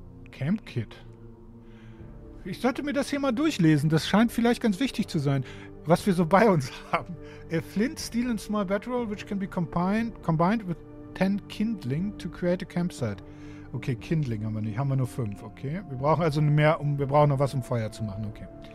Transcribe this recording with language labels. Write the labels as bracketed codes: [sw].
[de] Camp Kit. Ich sollte mir das hier mal durchlesen. Das scheint vielleicht ganz wichtig zu sein, was wir so bei uns haben. [en] A flint, steel and small bedroll, which can be combined with 10 kindling to create a campsite. [de] Okay, kindling haben wir nicht. Haben wir nur 5, okay. Wir brauchen also mehr, wir brauchen noch was, um Feuer zu machen, okay.